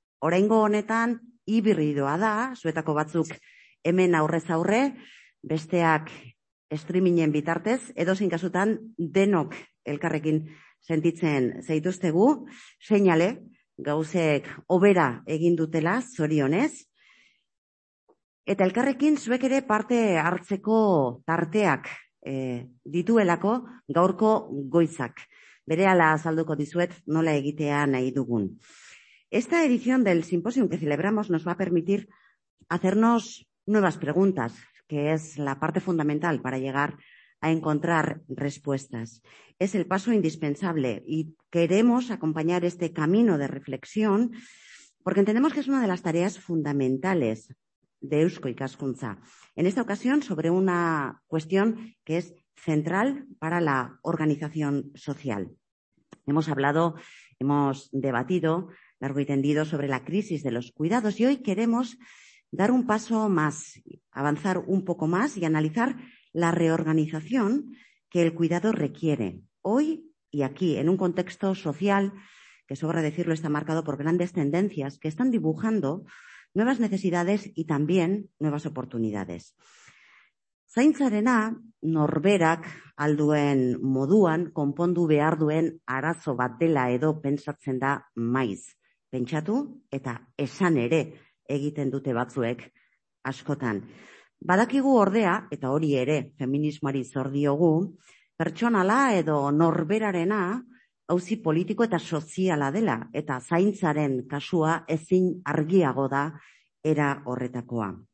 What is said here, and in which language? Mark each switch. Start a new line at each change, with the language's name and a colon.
Basque: Oraingo honetan hibridoa da, zuetako batzuk hemen aurrez aurre, besteak streamingen bitartez, edozein kasutan denok elkarrekin sentitzen zaituztegu, seinale gauzek hobera egin dutela zorionez. Eta elkarrekin zuek ere parte hartzeko tarteak dituelako gaurko goizak. Berehala azalduko dizuet nola egitea nahi dugun.
Spanish: Esta edición del simposium que celebramos nos va a permitir hacernos nuevas preguntas, que es la parte fundamental para llegar a encontrar respuestas. Es el paso indispensable y queremos acompañar este camino de reflexión porque entendemos que es una de las tareas fundamentales de Eusko Ikaskuntza. En esta ocasión, sobre una cuestión que es central para la organización social. Hemos hablado, hemos debatido largo y tendido sobre la crisis de los cuidados y hoy queremos dar un paso más, avanzar un poco más y analizar la reorganización que el cuidado requiere. Hoy y aquí, en un contexto social que, sobra decirlo, está marcado por grandes tendencias que están dibujando nuevas necesidades y también nuevas oportunidades.
Basque: Zaintzarena, norberak alduen moduan konpondu behar duen arazo bat dela edo pentsatzen da maiz. Pentsatu eta esan ere egiten dute batzuek askotan. Badakigu ordea, eta hori ere feminismoari zor diogu, pertsonala edo norberarena auzi politiko eta soziala dela, eta zaintzaren kasua ezin argiago da era horretakoa.